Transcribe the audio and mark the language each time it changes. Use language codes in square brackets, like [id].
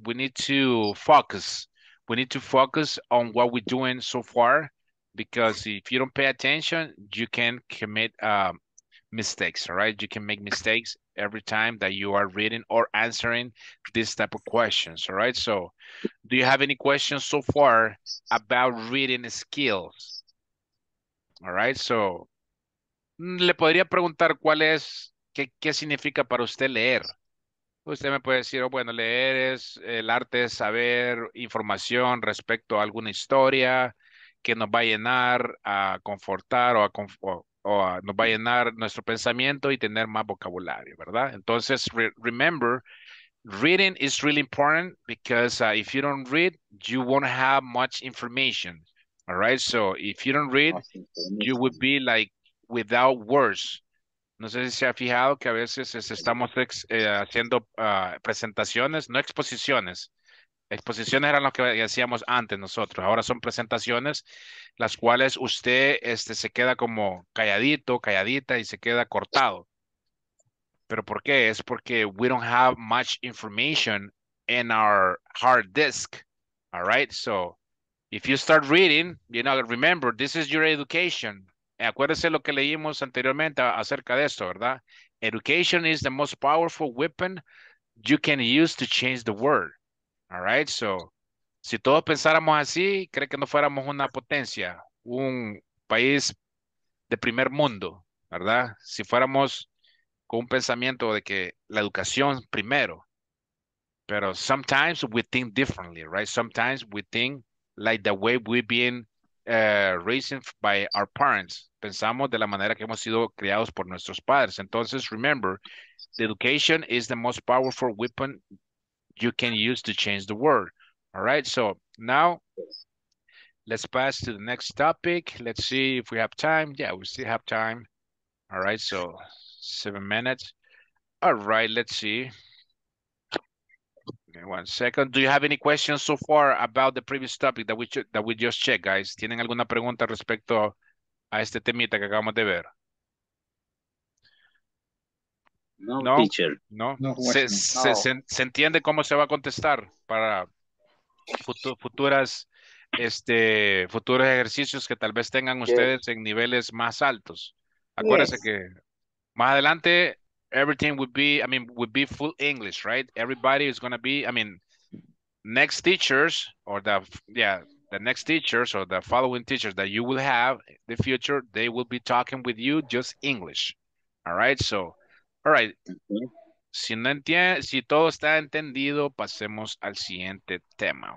[en] We need to focus. We need to focus on what we're doing so far, because if you don't pay attention, you can commit mistakes, all right? You can make mistakes every time that you are reading or answering this type of questions, all right? So do you have any questions so far about reading skills? All right, so [es] le podría preguntar cuál es, qué significa para usted leer. Usted me puede decir, oh, bueno, leer es, el arte es saber información respecto a alguna historia que nos va a llenar, a confortar o a nos va a llenar nuestro pensamiento y tener más vocabulario, ¿verdad? Entonces, [en] remember, reading is really important because if you don't read, you won't have much information. All right, so if you don't read, you would be like without words. [es] No sé si se ha fijado que a veces estamos haciendo presentaciones, no exposiciones. Exposiciones eran lo que hacíamos antes nosotros. Ahora son presentaciones las cuales usted se queda como calladito, calladita y se queda cortado. ¿Pero por qué? Es porque [en] we don't have much information in our hard disk. All right, so if you start reading, you know, remember, this is your education. [es] Acuérdese lo que leímos anteriormente acerca de esto, ¿verdad? [en] Education is the most powerful weapon you can use to change the world. All right, so [es] si todos pensáramos así, creo que no fuéramos una potencia, un país de primer mundo, ¿verdad? Si fuéramos con un pensamiento de que la educación primero. Pero [en] sometimes we think differently, right? Sometimes we think like the way we've been raised by our parents. [es] Pensamos de la manera que hemos sido criados por nuestros padres. Entonces, [en] remember, the education is the most powerful weapon you can use to change the world. All right, so now let's pass to the next topic. Let's see if we have time. Yeah, we still have time. All right, so 7 minutes. All right, let's see. Okay, 1 second. Do you have any questions so far about the previous topic that we just checked, guys? [es] ¿Tienen alguna pregunta respecto a este temita que acabamos de ver? No, no, teacher. No. ¿Se entiende cómo se va a contestar para futuros ejercicios que tal vez tengan ustedes en niveles más altos? Acuérdense que más adelante, [en] everything would be, would be full English, right? Everybody is going to be, next teachers or the next teachers or the following teachers that you will have in the future, they will be talking with you just English. All right. So, all right. [es] Si no entiende, si todo está entendido, pasemos al siguiente tema.